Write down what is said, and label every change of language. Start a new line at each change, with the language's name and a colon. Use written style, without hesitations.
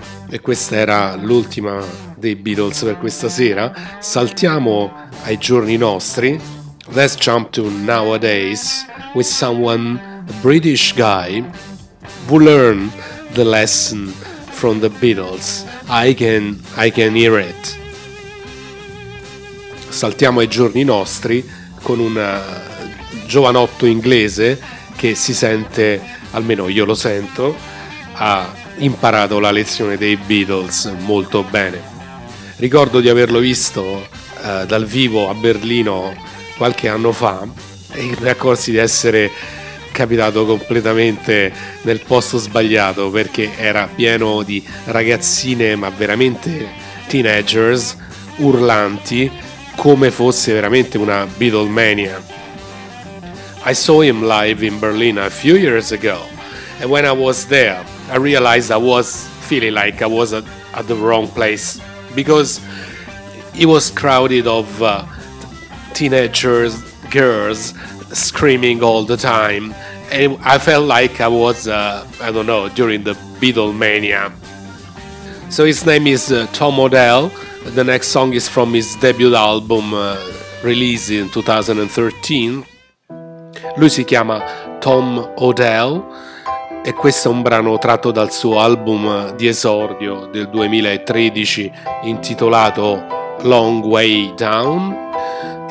Italian: E questa era l'ultima dei Beatles per questa sera. Saltiamo ai giorni nostri.
English: Let's jump to nowadays with someone, a British guy, who learned the lesson from the Beatles. I can hear it.
Italian: Saltiamo ai giorni nostri con una giovanotto inglese che si sente, almeno io lo sento, ha imparato la lezione dei Beatles molto bene. Ricordo di averlo visto dal vivo a Berlino qualche anno fa e mi accorsi di essere capitato completamente nel posto sbagliato, perché era pieno di ragazzine, ma veramente teenagers, urlanti come fosse veramente una Beatlemania.
English: I saw him live in Berlin a few years ago, and when I was there, I realized I was feeling like I was at the wrong place, because it was crowded of teenagers, girls, screaming all the time, and I felt like I was, I don't know, during the Beatlemania. So his name is Tom O'Dell. The next song is from his debut album, released in 2013.
Italian: Lui si chiama Tom O'Dell e questo è un brano tratto dal suo album di esordio del 2013 intitolato Long Way Down.